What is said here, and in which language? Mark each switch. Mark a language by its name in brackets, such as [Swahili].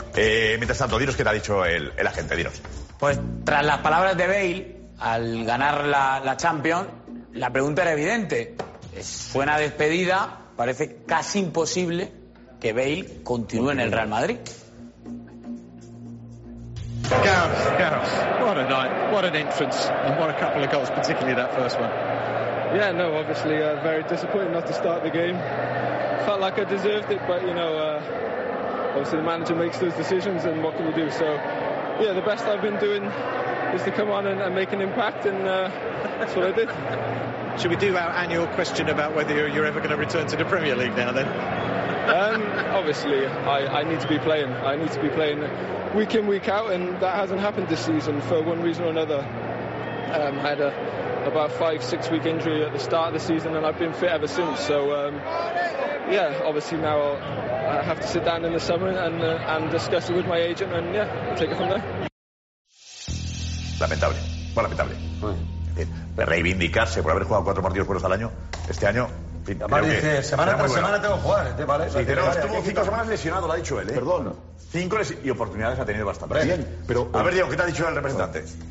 [Spanish] Mientras tanto, diros qué te ha dicho el agente, diros. Pues, tras las palabras de Bale, al ganar la Champions, la pregunta era evidente. Fue una despedida, parece casi imposible que Bale continúe en el Real Madrid. [English] Gareth, what a night, what an entrance, and what a couple of goals, particularly that first one. Yeah, no, obviously very disappointing not to start the game. Felt like I deserved it, but you know, obviously the manager makes those decisions, and what can you do? So, yeah, the best I've been doing is to come on and make an impact, and that's what I did. Should we do our annual question about whether you're ever going to return to the Premier League now then? Obviously, I need to be playing. I need to be playing week in, week out, and that hasn't happened this season for one reason or another. I had about 5-6 week injury at the start of the season, and I've been fit ever since. So, yeah, obviously now I have to sit down in the summer and discuss it with my agent and, yeah, take it from there. [Spanish] Lamentable. Bueno, lamentable. Mm. Reivindicarse por haber jugado 4 partidos buenos al año este año. Además, dice, semana tras semana tengo que jugar, ¿eh? Vale, sí, pero estuvo 5 semanas lesionado, lo ha dicho él, ¿eh? Perdón. 5 lesiones y oportunidades ha tenido bastante. Bien, pero a ver, Diego, ¿qué te ha dicho el representante?